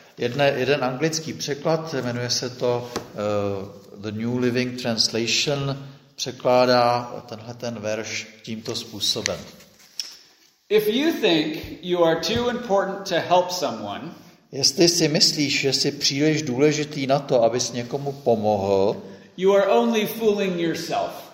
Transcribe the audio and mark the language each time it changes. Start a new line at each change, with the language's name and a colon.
Czech: Jeden anglický překlad, jmenuje se to The New Living Translation, překládá tenhle ten verš tímto způsobem.
English: If you think you are too important to help someone,
Czech: jestli si myslíš, že jsi příliš důležitý na to, abys někomu pomohl,
English: you are only fooling yourself.